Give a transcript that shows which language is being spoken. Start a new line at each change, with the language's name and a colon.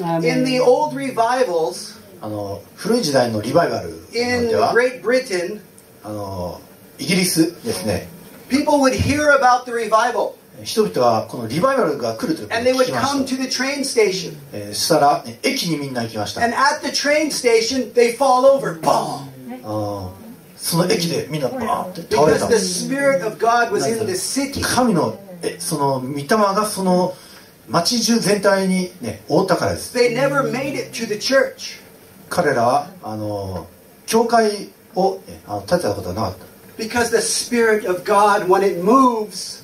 English: In the old revivals,
Japanese: 古い時代のリバイバルでは、
English: In Great Britain,
Japanese: イギリスですね。
English: People would hear about the revival.
Japanese: 人々はこのリバイバルが来るということを聞きました。そ したら、ね、駅にみんな行きました。
English: And at the train station, they fall over. ボーン。
Japanese: その駅でみんなバーンって倒れた。
English: The spirit of God was in the city.
Japanese: 神のその御霊がその町中全体に、ね、覆ったからです。
English: They never made it to the church.
Japanese: 彼らは教会を、建てたことはなかった。
English: Because the Spirit of God, when it moves,